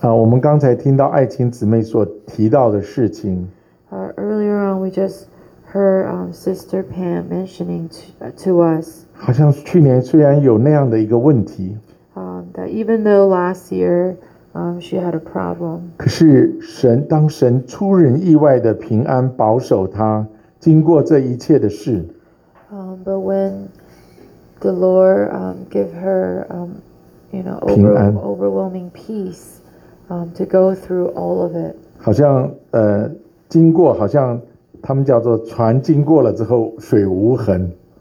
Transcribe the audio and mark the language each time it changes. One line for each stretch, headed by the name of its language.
Chinese: 啊，我们刚才听到爱卿姊妹所提到的事情。
English: Earlier on, we just heard Sister Pam mentioning to us.
Chinese: 好像去年虽然有那样的一个问题，
English: that even though last year, she had a problem.
Chinese: 可是神当神出人意外的平安保守她，经过这一切的事。
English: But when the Lord give her, overwhelming peace, to go through all of it.
Chinese: 好像经过，好像他们叫做船经过了之后水无痕。